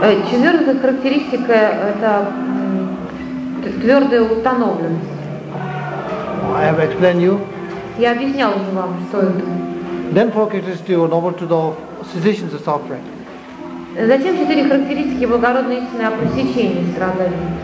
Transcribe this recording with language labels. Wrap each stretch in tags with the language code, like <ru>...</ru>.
<ru>Четвертая характеристика – это твердая установленность.</ru> <en>I have explained you.</en> <ru>Я объяснял уже вам, что это.</ru> <en>Then four characteristics are over to the cessations of suffering.</en> <ru>Затем четыре характеристики благородной истины о пресечении страданий.</ru>